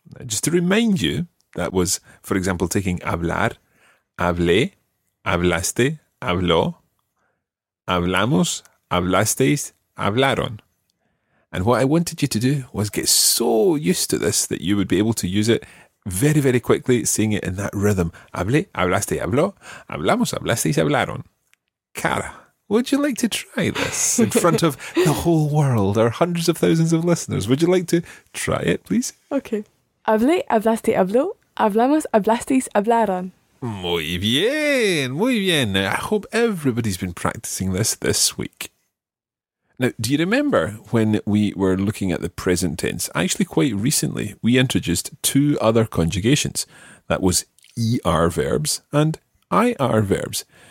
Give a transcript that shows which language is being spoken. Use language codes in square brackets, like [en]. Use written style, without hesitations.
[en] Now, just to remind you, that was, for example, taking [es] hablar, hablé, hablaste, habló, hablamos, hablasteis, hablaron. [en] And what I wanted you to do was get so used to this that you would be able to use it very, very quickly, saying it in that rhythm. [es] Hablé, hablaste, habló, hablamos, hablasteis, hablaron. [en] Cara, would you like to try this in front of the whole world, our hundreds of thousands of listeners? Would you like to try it, please? Okay. [es] Hablé, hablaste, habló, hablamos, hablasteis, hablaron. Muy bien, muy bien. [en] I hope everybody's been practicing this week. Now, do you remember when we were looking at the present tense? Actually, quite recently, we introduced two other conjugations. That was ER verbs and IR verbs.